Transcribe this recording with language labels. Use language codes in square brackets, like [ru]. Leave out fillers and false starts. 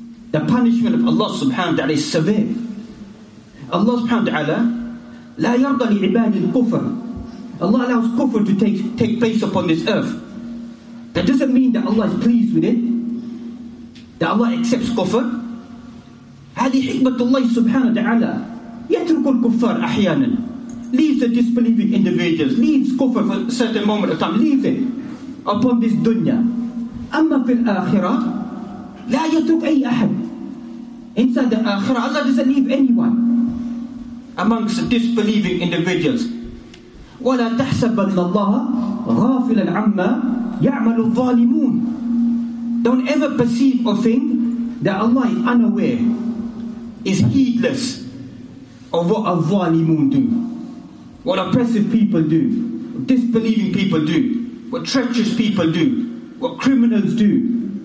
[en] The punishment of Allah subhanahu wa ta'ala is severe. Allah subhanahu wa ta'ala, [ar] لَا يَرْضَ لِعِبَادِ الْكُفْرِ. [en] Allah allows kufr to take place upon this earth. That doesn't mean that Allah is pleased with it, that Allah accepts kufr. [ar] هذه حكمة الله سبحانه وتعالى. يترك الكفار أحيانا. [en] Leaves the disbelieving individuals, leaves kufr for a certain moment of time, leaves it upon this dunya. [ar] أما في الآخرة لا يترك أي أحد. [en] Inside the آخرة, Allah doesn't leave anyone amongst the disbelieving individuals. [ar] ولا تحسبن الله غافلا عما يعمل الظالمون. [en] Don't ever perceive or think that Allah is unaware, is heedless of what a ظالمون do, what oppressive people do, what disbelieving people do, what treacherous people do, what criminals do.